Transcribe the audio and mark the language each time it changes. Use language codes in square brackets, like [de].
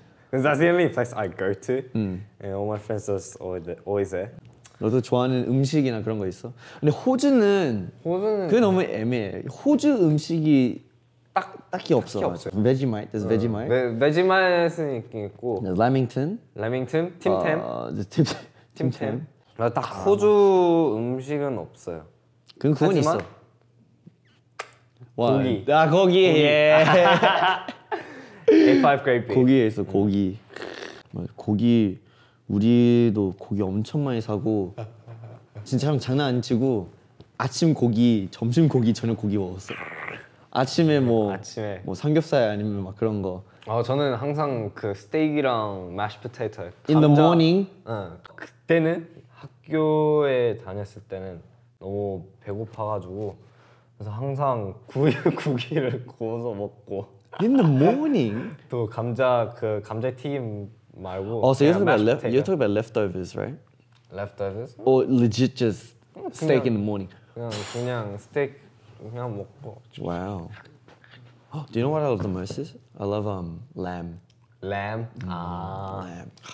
[en] Because that's the only place I go to. And all my friends are always there. [ko] 너도 좋아하는 음식이나 그런 거 있어? 근데 호주는 그게 너무 애매해. 호주 음식이 딱히 없어. 없어요. [en] Vegemite, there's Vegemite. [ko] Vegemite는 있고. [en] Lamington. Tim Tam. Tim Tam. [ko] 나 딱 호주 음식은 없어요. 그건 있어. 와. 고기. 아 고기. 예. [en] A5 grade. [ko] 고기에 있어 고기. 고기 우리도 고기 엄청 많이 사고 진짜 장난 안 치고 아침 고기, 점심 고기, 저녁 고기 먹었어. 아침에 뭐 삼겹살 아니면 막 그런 거. 저는 항상 그 스테이크랑 mashed potato. [en] In the morning. [ko] 그때는 학교에 다녔을 때는 너무 배고파가지고 그래서 항상 구이를 구워서 먹고. [en] In the morning. [ko] 또 감자 그 감자 튀김 말고. [en] So you're talking about leftovers, right? Leftovers. Or legit just steak in the morning. [ko] 그냥 스테이크. 그냥 먹고. [en] Wow. Do you know what I love the most is? I love lamb. Lamb. Lamb.